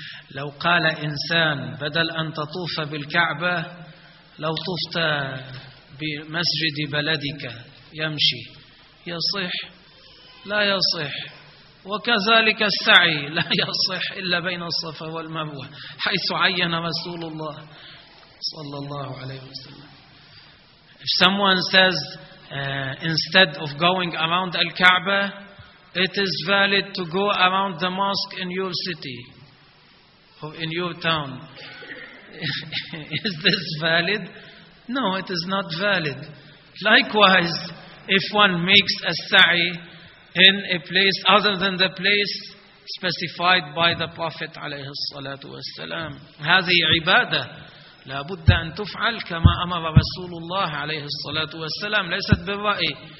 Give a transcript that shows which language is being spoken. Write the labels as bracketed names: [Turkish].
[Arabic] لو قال إنسان بدل أن تطوف بالكعبة لو طفت بمسجد بلدك يمشي يصح لا يصح وكذلك السعي لا يصح إلا بين الصفا والمروة حيث عين رسول الله صلى الله عليه وسلم. [English] If someone says instead of going around Al-Kaaba, it is valid to go around the mosque in your city or in your town. Is this valid? No, it is not valid. Likewise, if one makes a sa'i in a place other than the place specified by the Prophet [Arabic] عليه الصلاة والسلام, هذه عبادة لا بد أن تفعل كما أمر رسول الله عليه الصلاة والسلام ليست بالرأي.